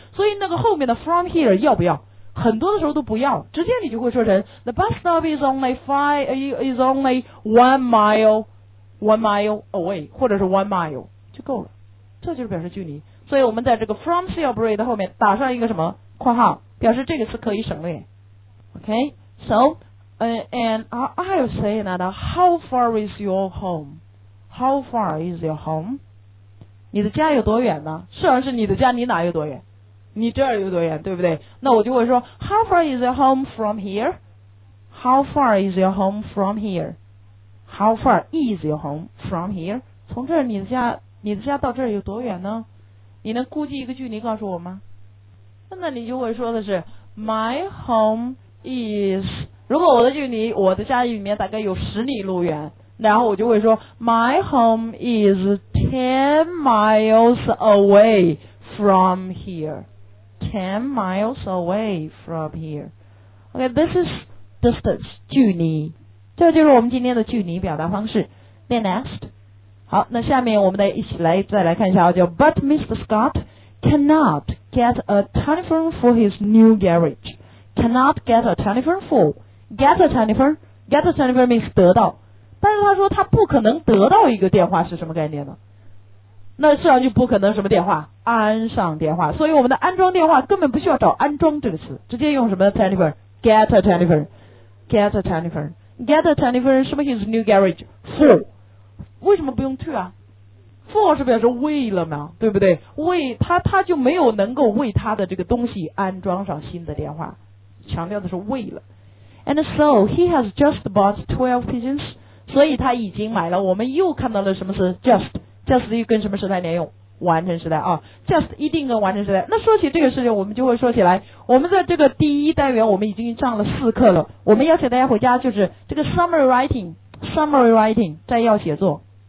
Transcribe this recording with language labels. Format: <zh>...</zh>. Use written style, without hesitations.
<zh>所以那个后面的</zh> <en>from here</en> <zh>要不要？很多的时候都不要，直接你就会说成</zh> <en>the bus stop is only one mile away，</en> <zh>或者是</zh> <en>one mile</en> <zh>就够了，这就是表示距离。所以我们在这个</zh> <en>from Silbury</en> <zh>的后面打上一个什么括号，表示这个词可以省略。</zh> <en>OK， so and I'll say that how far is your home，</en> <zh>你的家有多远呢？实际上是你的家离哪有多远，你这儿有多远，对不对？那我就会说</zh> <en>how far is your home from here，</en> <zh>从这儿你的家到这儿有多远呢？你能估计一个距离告诉我吗？那你就会说的是</zh> <en>My home is，</en> <zh>如果我的家里面大概有10里路远，然后我就会说</zh> <en>My home is 10 miles away from here， 10 miles away from here。 OK， this is distance，</en> <zh>距离，这就是我们今天的距离表达方式。</zh> <en>Then next，</en> <zh>好，那下面我们再来看一下，叫</zh> <en>But Mr. Scott cannot get a telephone for his new garage. Cannot get a telephone for. Get a telephone. Get a telephone means</en> <zh>得到。但是他说他不可能得到一个电话是什么概念呢？那实际上就不可能什么电话？安上电话。所以我们的安装电话根本不需要找安装这个词，直接用什么 telephone?</zh> <en>Get a telephone. Get a telephone. Get a telephone 什么 his new garage?</en> <zh>For. 为什么不用 to 啊？ for 是表示为了嘛，对不对？为他就没有能够为他的这个东西安装上新的电话，强调的是为了。</zh> <en>And so he has just bought 12 pigeons.</en> <zh>所以他已经买了。我们又看到了什么是 just。Just 跟什么时态连用？完成时态啊。 Just 一定跟完成时态。那说起这个事情，我们就会说起来，我们在这个第一单元我们已经上了四课了。我们邀请大家回家，就是这个 summary writing， summary writing 摘要写作。</zh>